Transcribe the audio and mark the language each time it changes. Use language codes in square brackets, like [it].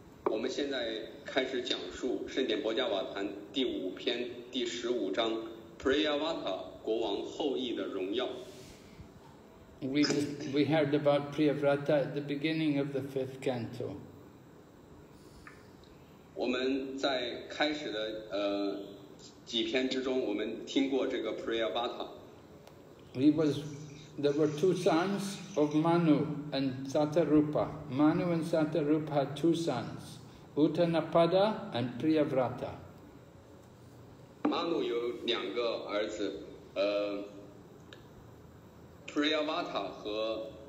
[en] We heard about Priyavrata at the beginning of the fifth canto. [zh] 我们在开始的, 几篇之中, [en] he was. There were two sons of Manu and Satarupa. Manu and Satarupa had two sons, Uttanapada and Priyavrata. [zh] Manu 有两个儿子, Priyavrata 和